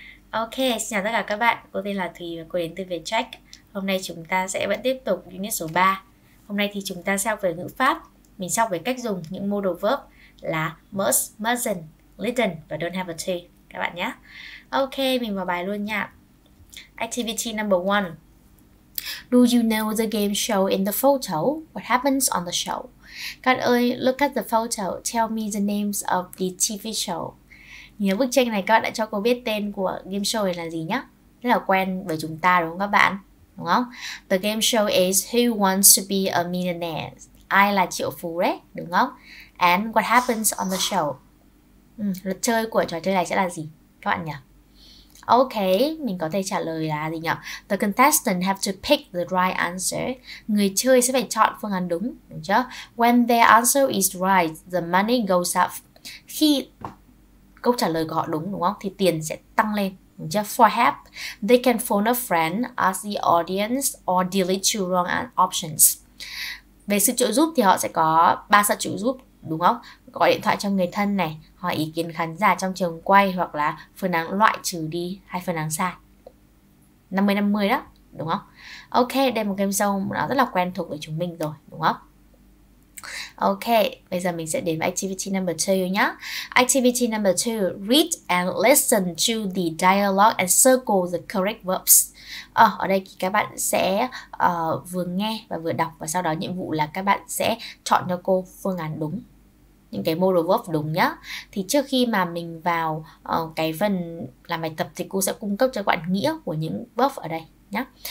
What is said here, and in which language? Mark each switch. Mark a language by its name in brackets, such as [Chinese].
[Vietnamese] Ok, xin chào tất cả các bạn. Cô tên là Thùy và cô đến từ Vietcheck. Hôm nay chúng ta sẽ vẫn tiếp tục unit số 3. Hôm nay thì chúng ta sẽ học về ngữ pháp. Mình sẽ học về cách dùng những modal verb là must, mustn't, needn't và don't have a to các bạn nhé. Ok, mình vào bài luôn nha. [English] Activity number 1. Do you know the game show in the photo? What happens on the show? [Vietnamese] Các ơi, [English] look at the photo. Tell me the names of the TV show. [Vietnamese] Nhìn bức tranh này, các bạn đã cho cô biết tên của game show là gì nhá. Rất là quen với chúng ta đúng không các bạn? Đúng không? [English] The game show is Who Wants to be a Millionaire? [Vietnamese] Ai là triệu phú đấy? Đúng không? [English] And what happens on the show? [Vietnamese] Luật chơi của trò chơi này sẽ là gì? Các bạn nhỉ? Ok, mình có thể trả lời là gì nhỉ? [English] The contestant have to pick the right answer. [Vietnamese] Người chơi sẽ phải chọn phương án đúng, đúng chưa? [English] When their answer is right, the money goes up. [Vietnamese] Khi câu trả lời của họ đúng không? Thì tiền sẽ tăng lên. [English] For help, they can phone a friend, ask the audience, or delete two wrong options. [Vietnamese] Về sự trợ giúp thì họ sẽ có 3 sự trợ giúp, đúng không? Gọi điện thoại cho người thân này, hỏi ý kiến khán giả trong trường quay, hoặc là phương án loại trừ đi hay phương án sai. 50-50 đó, đúng không? Ok, đây một game show nó rất là quen thuộc với chúng mình rồi, đúng không? Ok, bây giờ mình sẽ đến với activity number 2 nhé. [English] Activity number 2, read and listen to the dialogue and circle the correct verbs. [Vietnamese] Ở đây thì các bạn sẽ vừa nghe và vừa đọc, và sau đó nhiệm vụ là các bạn sẽ chọn cho cô phương án đúng, những cái modal verb đúng nhá. Thì trước khi mà mình vào cái phần làm bài tập thì cô sẽ cung cấp cho các bạn nghĩa của những verb ở đây nhá.